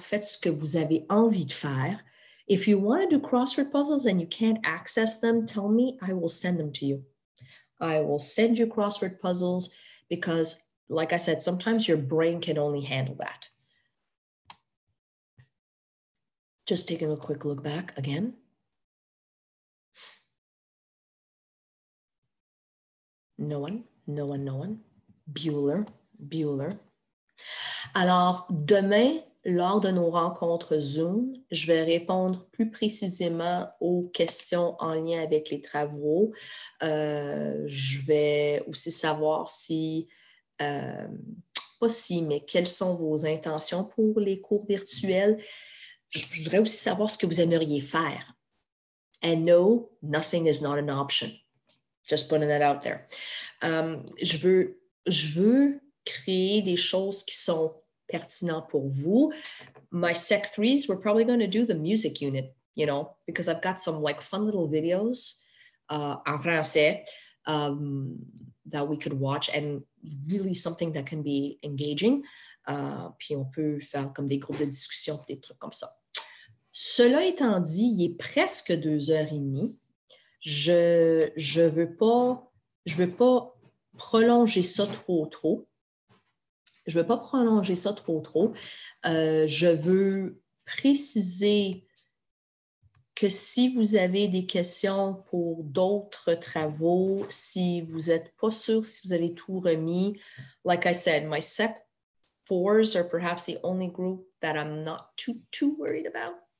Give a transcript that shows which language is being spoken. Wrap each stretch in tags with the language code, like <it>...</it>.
<fr>Faites ce que vous avez envie de faire.</fr> <en>If you want to do crossword puzzles and you can't access them, tell me. I will send them to you. I will send you crossword puzzles because, like I said, sometimes your brain can only handle that. Just taking a quick look back again. No one. Bueller.</en> <fr>Alors, demain, lors de nos rencontres Zoom, je vais répondre plus précisément aux questions en lien avec les travaux. Je vais aussi savoir si, pas si, mais quelles sont vos intentions pour les cours virtuels. Je voudrais aussi savoir ce que vous aimeriez faire.</fr> <en>And no, nothing is not an option. Just putting that out there.</en> <fr>Je veux créer des choses qui sont pertinentes pour vous.</fr> <en>My sec threes, we're probably going to do the music unit, you know, because I've got some like fun little videos en français that we could watch and really something that can be engaging.</en> <fr>Puis on peut faire comme des groupes de discussion, des trucs comme ça. Cela étant dit, il est presque 2h30. Je veux pas prolonger ça trop. Je veux préciser que si vous avez des questions pour d'autres travaux, si vous êtes pas sûr si vous avez tout remis,</fr> <en>like I said, my sec fours are perhaps the only group that I'm not too worried about.</en>